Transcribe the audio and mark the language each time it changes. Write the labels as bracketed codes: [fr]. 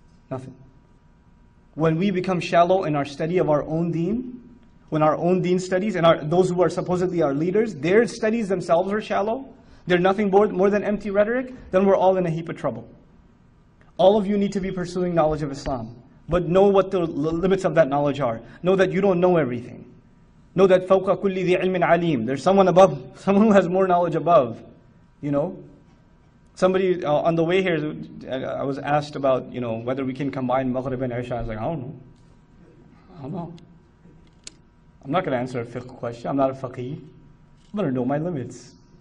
[en] Nothing. When we become shallow in our study of our own deen, when our own deen studies and those who are supposedly our leaders, their studies themselves are shallow, they're nothing more than empty rhetoric, then we're all in a heap of trouble. All of you need to be pursuing knowledge of Islam, but know what the limits of that knowledge are. Know that you don't know everything. Know that [ar] فَوْقَ كُلِّ ذِي عِلْمٍ عَلِيمٍ. [en] There's someone above, someone who has more knowledge above, you know? Somebody on the way here, I was asked about, you know, whether we can combine Maghrib and Isha. I was like, I don't know. I'm not gonna answer a fiqh question, I'm not a faqih. I'm gonna know my limits.